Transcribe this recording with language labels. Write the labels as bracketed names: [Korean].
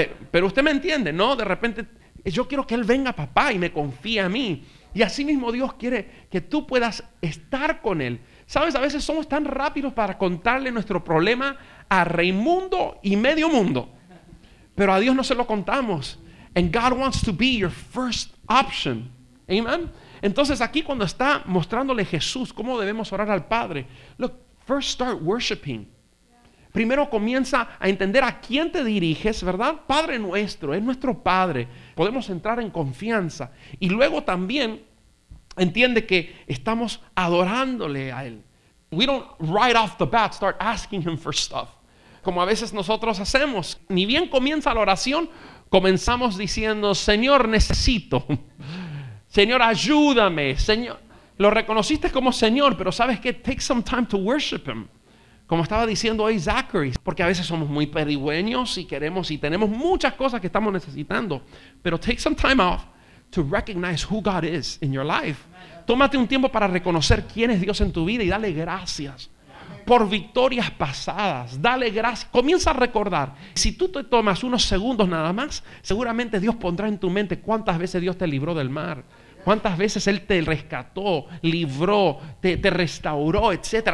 [Spanish] Pero usted me entiende, ¿no? De repente, yo quiero que él venga a papá y me confíe a mí. Y así mismo Dios quiere que tú puedas estar con él. ¿Sabes? A veces somos tan rápidos para contarle nuestro problema a Raimundo y medio mundo, pero a Dios no se lo contamos. [English] And God wants to be your first option. Amen. [Spanish] Entonces aquí, cuando está mostrándole Jesús cómo debemos orar al Padre, [English] look, first start worshiping. [Spanish] Primero comienza a entender a quién te diriges, ¿verdad? Padre nuestro, es nuestro Padre. Podemos entrar en confianza. Y luego también entiende que estamos adorándole a Él. [English] We don't right off the bat start asking Him for stuff, [Spanish] como a veces nosotros hacemos. Ni bien comienza la oración, comenzamos diciendo, Señor, necesito. Señor, ayúdame. Señor, lo reconociste como Señor, pero ¿sabes qué? [English] Take some time to worship Him. [Spanish] Como estaba diciendo hoy Zachary, porque a veces somos muy pedigüeños y queremos y tenemos muchas cosas que estamos necesitando. [English] Pero take some time off to recognize who God is in your life. [Spanish] Tómate un tiempo para reconocer quién es Dios en tu vida y dale gracias por victorias pasadas. Dale gracias. Comienza a recordar. Si tú te tomas unos segundos nada más, seguramente Dios pondrá en tu mente cuántas veces Dios te libró del mar, cuántas veces Él te rescató, libró, te restauró, etc.